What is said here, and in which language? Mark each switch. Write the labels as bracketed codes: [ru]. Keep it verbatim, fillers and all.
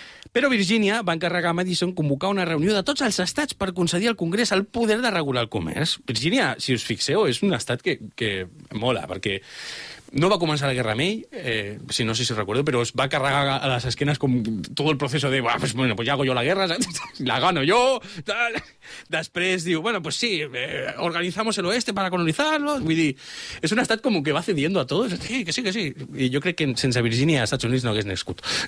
[ca] Però Virgínia va encarregar a Madison convocar una reunió de tots els estats per concedir al Congrés el poder de regular el comerç. Virgínia, si us fixeu, és un estat que, que mola, perquè no va començar la guerra amb ell, eh, si no sé si recordo, però es va carregar a les esquenes com tot el procés de, ah, pues, bueno, [es] pues ya hago yo la guerra, la gano yo, tal. [ca] Després diu, [es] bueno, pues sí, eh, organizamos el oeste para colonizarlo. [ca] Vull dir, és un estat com que va cediendo a tots. Sí, que sí, que sí. I jo crec que sense Virgínia, Estats Units no hagués nascut.